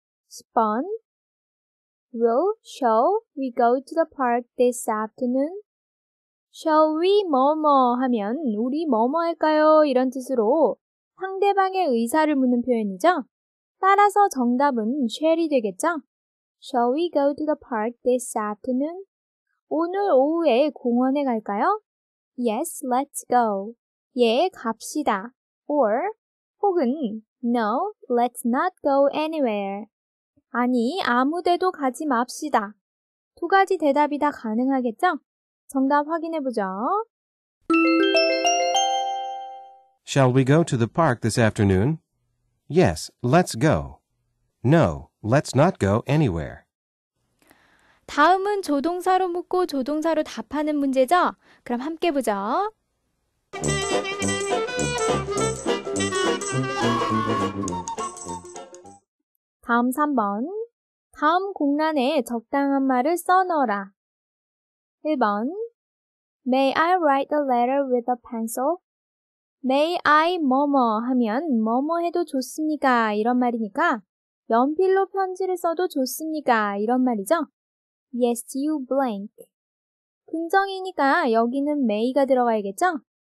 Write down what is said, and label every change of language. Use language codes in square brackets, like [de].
[en] 10번 Will, shall we go to the park this afternoon? Shall we [ko] 뭐뭐 하면 우리 뭐뭐 할까요? 이런 뜻으로 상대방의 의사를 묻는 표현이죠. 따라서 정답은 shall이 되겠죠. [en] Shall we go to the park this afternoon? [ko] 오늘 오후에 공원에 갈까요? [en] Yes, let's go. [ko] 예, 갑시다. [en] Or, [ko] 혹은 [en] No, let's not go anywhere. [ko] 아니, 아무데도 가지 맙시다. 두 가지 대답이 다 가능하겠죠? 정답 확인해보죠. [en] Shall we go to the park this afternoon? Yes, let's go. No, let's not go anywhere. [ko] 다음은 조동사로 묻고 조동사로 답하는 문제죠? 그럼 함께 보죠. 다음 3번. 다음 공란에 적당한 말을 써넣어라. 1번. [en] May I write a letter with a pencil? May I [ko] 뭐뭐 하면 뭐뭐 해도 좋습니까? 이런 말이니까 연필로 편지를 써도 좋습니까? 이런 말이죠. [en] Yes, you blank. [ko] 긍정이니까 여기는 may가 들어가야겠죠?